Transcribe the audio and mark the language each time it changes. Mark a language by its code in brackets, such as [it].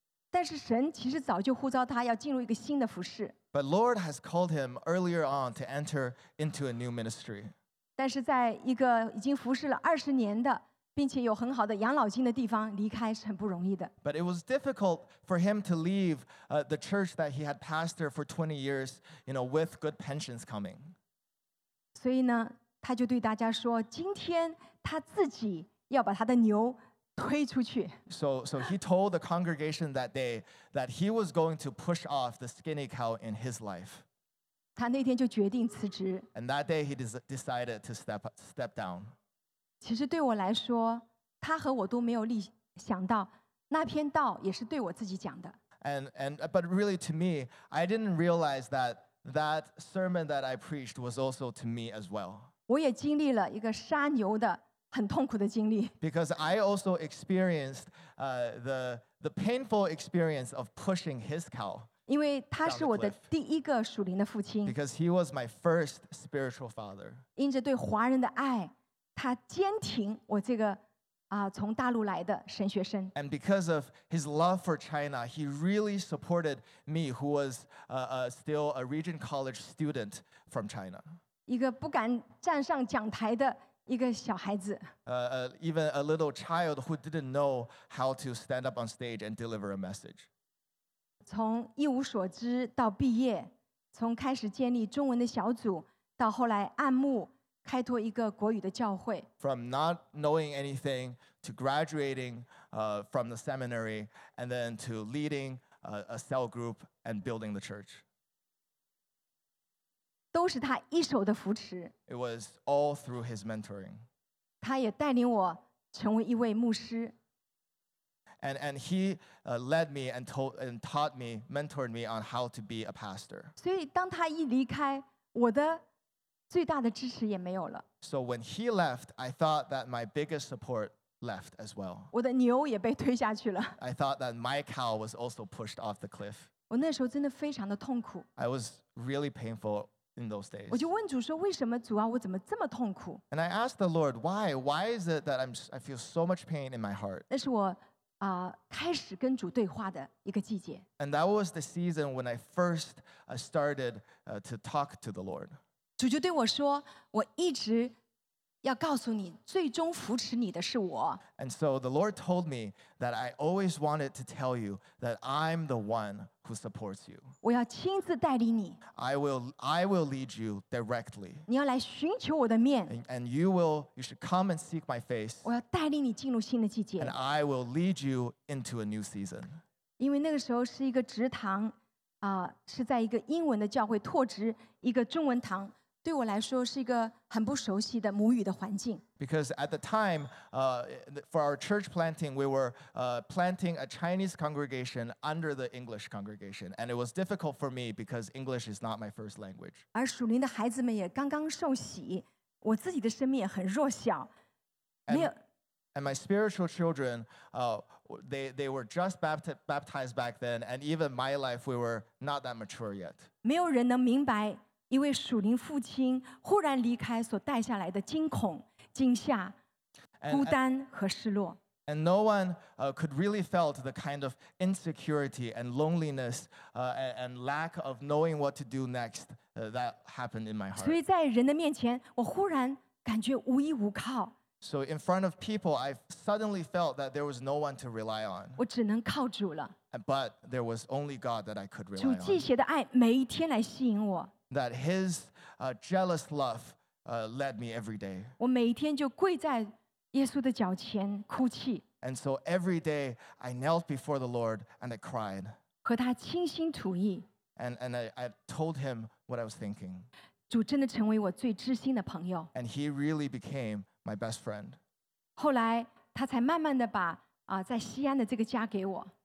[zh] 但是神其实早就呼召他要进入一个新的服事。 [en] But Lord has called him earlier on to enter into a new ministry. [zh] 但是在一个已经服事了二十年的，并且有很好的养老金的地方离开是很不容易的。 [en] But it was difficult for him to leave the church that he had pastored for 20 years, you know, with good pensions coming. [zh] 所以呢？他就对大家说：“今天他自己要把他的牛推出去。” [en] So he told the congregation that day that he was going to push off the skinny cow in his life. [zh] 他那天就决定辞职。 [en] And that day he decided to step down. [zh] 其实对我来说，他和我都没有想到，那篇道也是对我自己讲的。 [en] But really, to me, I didn't realize that sermon that I preached was also to me as well. [zh] 我也经历了一个杀牛的很痛苦的经历。 [en] Because I also experienced the painful experience of pushing his cow. [zh] 因为他是我的第一个属灵的父亲。 [en] Because he was my first spiritual father. [zh] 因着对华人的爱，他坚挺我这个从大陆来的神学生。 [en] And because of his love for China, he really supported me, who was still a Regent College student from China. [zh] 一个不敢站上讲台的一个小孩子。 [en] Even a little child who didn't know how to stand up on stage and deliver a message. [zh] 从一无所知到毕业，从开始建立中文的小组，到后来按牧开拓一个国语的教会。 [en] From not knowing anything to graduating from the seminary and then to leading a cell group and building the church. [zh] 都是他一手的扶持。 [en] It was all through his mentoring. [zh] 他也带领我成为一位牧师。 [en] And he led me and taught me, mentored me on how to be a pastor. [zh] 所以当他一离开，我的最大的支持也没有了。 [en] So when he left, I thought that my biggest support left as well. [zh] 我的牛也被推下去了。 [en] I thought that my cow was also pushed off the cliff. [zh] 我那时候真的非常的痛苦。 [en] I was really painful. In those days. [zh] 我就问主说，为什么主啊，我怎么这么痛苦？ [en] And I asked the Lord, why? Why is it that I feel so much pain in my heart? [zh] 那是我开始跟主对话的一个季节。 [en] And that was the season when I first started to talk to the Lord. [zh] 主就对我说，我一直要告诉你，最终扶持你的是我。 [en] And so the Lord told me that I always wanted to tell you that I'm the one who supports you. [zh] 我要亲自带领你。 [en] I will lead you directly. [zh] 你要来寻求我的面。 [en] And you should come and seek my face. [zh] 我要带领你进入新的季节。 [en] And I will lead you into a new season. [zh] 因为那个时候是一个职堂，是在一个英文的教会拓职一个中文堂，对我来说是一个很不熟悉的母语的环境。 [en] Because at the time, for our church planting, we were planting a Chinese congregation under the English congregation, and it was difficult for me because English is not my first language. [zh] 而属灵的孩子们也刚刚受洗，我自己的生命也很弱小，没有。 [en] And my spiritual children, they were just baptized back then, and even my life, we were not that mature yet. [zh] 没有人能明白一位属灵父亲忽然离开所带下来的惊恐、惊吓、孤单和失落。 [en] And no one could really felt the kind of insecurity and loneliness and lack of knowing what to do next that happened in my heart. [zh] 所以在人的面前，我忽然感觉无依无靠。 [en] So in front of people, I suddenly felt that there was no one to rely on. [zh] 我只能靠主了。 [en] But there was only God that I could rely on. [zh] 主祭邪的爱每一天来吸引我。 [en] That his jealous love led me every day. [zh] 我每一天就跪在耶稣的脚前哭泣。 [en] And so every day, I knelt before the Lord and I cried. [zh] 和他倾心吐意。 [en] And I told him what I was thinking. [zh] 主真的成为我最知心的朋友。 [en] And he really became my best friend. [zh] 后来他才慢慢地把在西安的这个家给我。